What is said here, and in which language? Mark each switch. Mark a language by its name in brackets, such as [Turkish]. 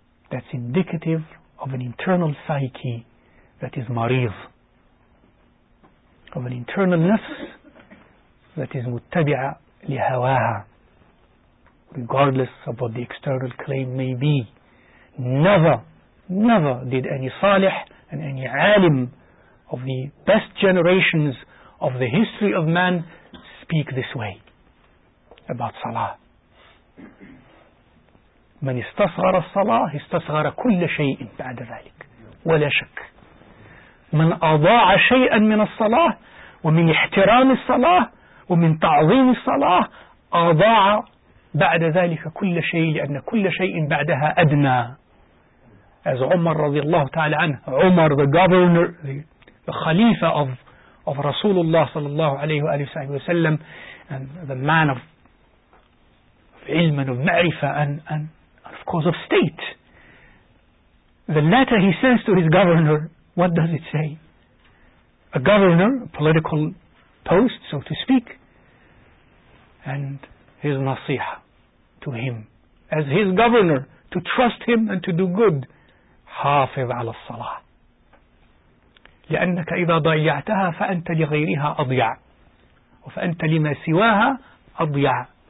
[English] That's indicative of an internal psyche that is mariz, of an internal nafs that is muttabi'a lihawaha, regardless of what the external claim may be. Never did any salih and any alim of the best generations of the history of man speak this way about salah. [Arabic] من استصغر الصلاة استصغر كل شيء بعد ذلك ولا شك. من أضاع شيئا من الصلاة ومن احترام الصلاة ومن تعظيم الصلاة أضاع بعد ذلك كل شيء، لأن كل شيء بعدها أدنى. [English] As Umar رضي الله تعالى عنه, Umar the governor, the خليفة of رسول الله صلى الله عليه وآله وسلم, and the man of ilm and of ma'rifah and of course of state. The letter he sends to his governor, what does it say? A governor, a political post, so to speak, and his nasiha to him, as his governor, to trust him and to do good. [Arabic] حافظ على الصلاة لأنك إذا ضيعتها فأنت لغيرها أضيع وفأنت لما سواها أضيع.